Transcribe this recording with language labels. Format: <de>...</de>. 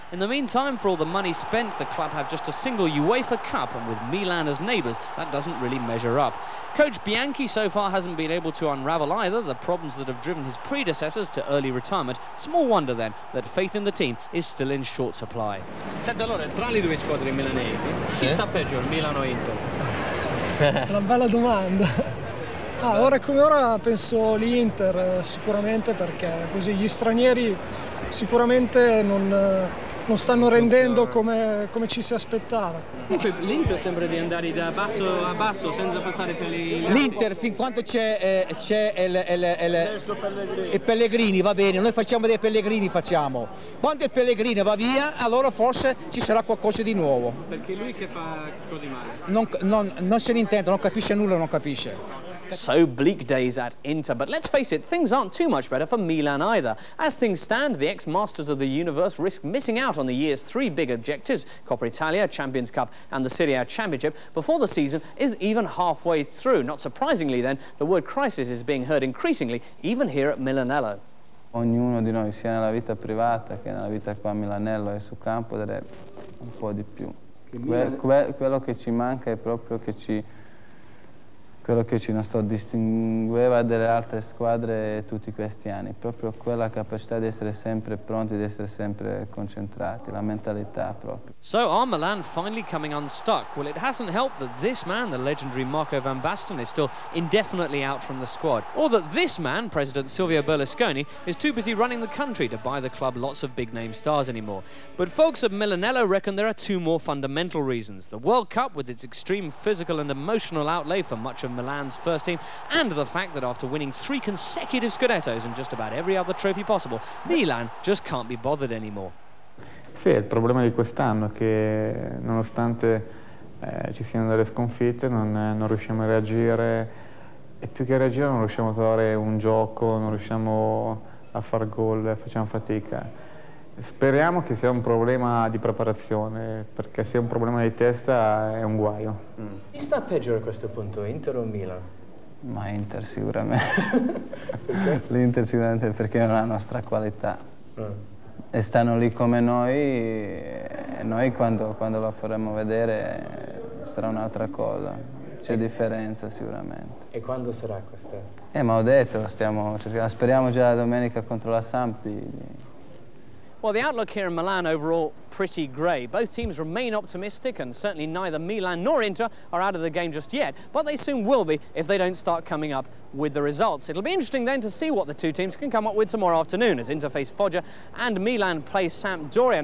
<en>In the meantime, for all the money spent, the club have just a single UEFA Cup, and with Milan as neighbours, that doesn't really measure up. Coach Bianchi so far hasn't been able to unravel either the problems that have driven his predecessors to early retirement. Small wonder, then, that faith in the team is still in short supply.</en> <it>Senti, allora, tra le due squadre milanesi, chi sta peggio, Milan o Inter? Una bella domanda. Ah, ora come ora penso l'Inter sicuramente, perché così gli stranieri sicuramente non stanno rendendo come ci si aspettava. L'Inter sembra di andare da basso a basso senza passare per le... L'Inter fin quanto c'è il Pellegrini, va bene, noi facciamo dei Pellegrini, facciamo. Quando il Pellegrini va via, allora forse ci sarà qualcosa di nuovo. Perché lui che fa così male? Non se ne intende, non capisce nulla, non capisce.</it> <en>So bleak days at Inter, but let's face it, things aren't too much better for Milan either. As things stand, the ex-masters of the universe risk missing out on the year's three big objectives, Coppa Italia, Champions Cup and the Serie A Championship, before the season is even halfway through. Not surprisingly then, the word crisis is being heard increasingly, even here at Milanello.</en> <it>Ognuno di noi, sia nella vita privata che nella vita qua a Milanello e sul campo, deve un po' di più. Quello che ci manca è proprio che ci... quello che ci non so distingueva dalle altre squadre tutti questi anni, proprio quella capacità di essere sempre pronti, di essere sempre concentrati, la mentalità proprio.</it> <en>So are Milan finally coming unstuck? Well, it hasn't helped that this man, the legendary Marco van Basten, is still indefinitely out from the squad, or that this man, President Silvio Berlusconi, is too busy running the country to buy the club lots of big name stars anymore. But folks at Milanello reckon there are two more fundamental reasons: the World Cup, with its extreme physical and emotional outlay for much of Milan's first team, and the fact that after winning three consecutive Scudettos and just about every other trophy possible, Milan just can't be bothered anymore.</en> <it>Sì, il problema di quest'anno è che nonostante ci siano delle sconfitte, non riusciamo a reagire, e più che reagire non riusciamo a trovare un gioco, non riusciamo a far gol, facciamo fatica. Speriamo che sia un problema di preparazione, perché se è un problema di testa è un guaio. Chi sta peggio a questo punto, Inter o Milan? Ma Inter sicuramente. Okay. L'Inter sicuramente, perché non ha la nostra qualità. E stanno lì come noi, e noi quando lo faremo vedere sarà un'altra cosa. C'è differenza sicuramente. E quando sarà questa? Ma ho detto, speriamo già domenica contro la Samp.</it> <en>Well, the outlook here in Milan overall, pretty grey. Both teams remain optimistic, and certainly neither Milan nor Inter are out of the game just yet, but they soon will be if they don't start coming up with the results. It'll be interesting then to see what the two teams can come up with tomorrow afternoon, as Inter face Foggia and Milan play Sampdoria.</en>